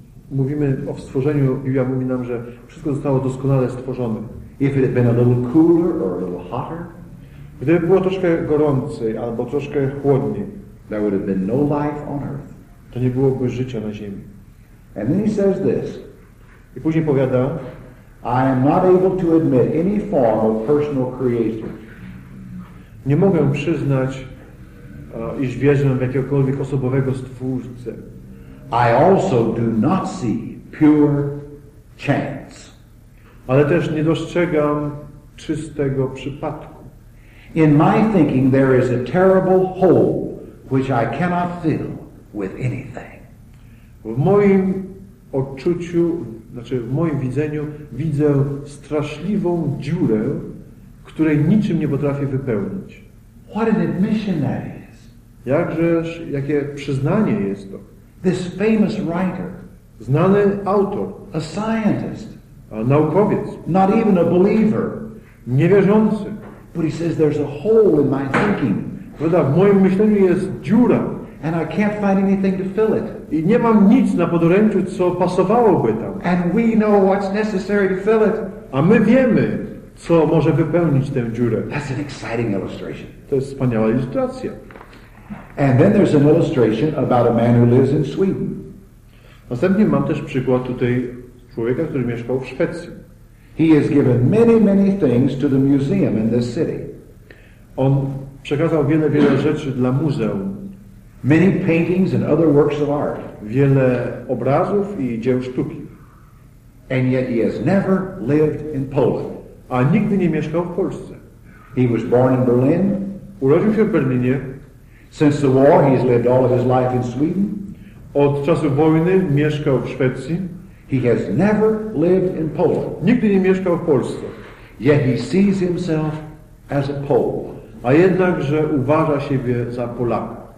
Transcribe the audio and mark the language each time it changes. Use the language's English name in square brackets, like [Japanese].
[Polish] Mówimy o stworzeniu, Biblia mówi nam, że wszystko zostało doskonale stworzone. [English] If it had been a little cooler or a little hotter, [Polish] gdyby było troszkę gorącej albo troszkę chłodniej, [English] there would have been no life on earth. [Polish] To nie byłoby życia na ziemi. [English] And then he says this. [Polish] I później powiada, [English] I am not able to admit any form of personal creation. [Polish] Nie mogę przyznać, iż wierzę w jakiegokolwiek osobowego stwórcę. [English] I also do not see pure chance. [Polish] Ale też nie dostrzegam czystego przypadku. [English] In my thinking there is a terrible hole which I cannot fill with anything. [Polish] W moim odczuciu, znaczy w moim widzeniu, widzę straszliwą dziurę, której niczym nie potrafię wypełnić. [English] What an admission that is. [Polish] Jakżeż, jakie przyznanie jest to. [English] This famous writer, [Polish] znany autor, [English] a scientist, [Polish] a naukowiec, [English] not even a believer, [Polish] niewierzący, [English] but he says there's a hole in my thinking. [Polish] Prawda, w moim myśleniu jest dziura. [English] And I can't find anything to fill it. [Polish] I nie mam nic na podoręczu, co pasowałoby tam. [English] And we know what's necessary to fill it. [Polish] A my wiemy, co może wypełnić tę dziurę. [English] That's an exciting illustration. [Polish] To jest wspaniała ilustracja. [English] And then there's an illustration about a man who lives in Sweden. [Polish] Następnie mam też przykład tutaj człowieka, który mieszkał w Szwecji. [English] He has given many, many things to the museum in this city. [Polish] On przekazał wiele, wiele rzeczy dla muzeum. [English] Many paintings and other works of art. [Polish] Wiele obrazów i dzieł sztuki. [English] And yet he has never lived in Poland. [Polish] A nigdy nie mieszkał w Polsce. [English] He was born in Berlin. [Polish] Urodził się w Berlinie. [English] Since the war, he has lived all of his life in Sweden. [Polish] Od czasu wojny mieszkał w Szwecji. [English] He has never lived in Poland. [Polish] Nigdy nie mieszkał w Polsce. [English] Yet he sees himself as a Pole. [Polish] A jednakże uważa siebie za Polaka.